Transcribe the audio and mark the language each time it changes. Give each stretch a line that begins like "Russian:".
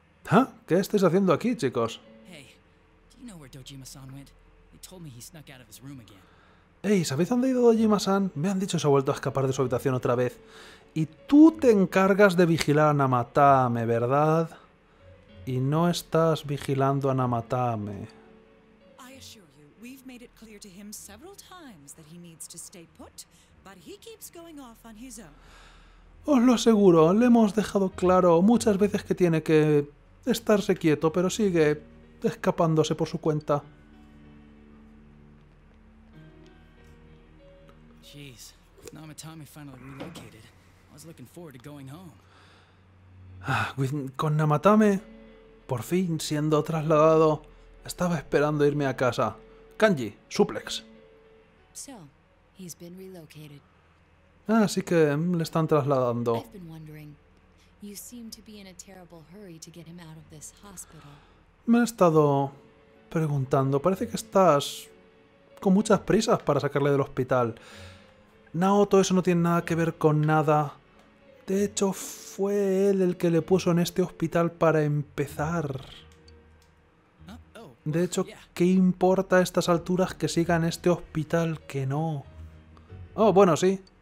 Spanish: ¿Ah? ¿Qué estáis haciendo aquí, chicos? Hey, ¿sabéis dónde ha ido Dojima-san? Me han dicho que se ha vuelto a escapar de su habitación otra vez. Y tú te encargas de vigilar a Namatame, ¿verdad? Y no estás vigilando a Namatame.
English: I assure you, we've made it clear to him several times that he needs to stay put, but he keeps going off on his own.
Spanish: Os lo aseguro, le hemos dejado claro muchas veces que tiene que estarse quieto, pero sigue escapándose por su cuenta.
English: Jeez, Namatame finally relocated. I was looking forward to going home.
Spanish: Con Namatame por fin siendo trasladado, estaba esperando irme a casa.
English: Kanji, suplex. So, he's been relocated.
Spanish: Así que le están trasladando.
English: I've been wondering. You seem to be in a terrible hurry to get him out of this hospital.
Spanish: Me he estado preguntando. Parece que estás con muchas prisas para sacarle del hospital. Naoto, eso no tiene nada que ver con nada. De hecho, fue él el que le puso en este hospital para empezar. De hecho, ¿qué importa a estas alturas que siga en este hospital que no? Oh, bueno, sí.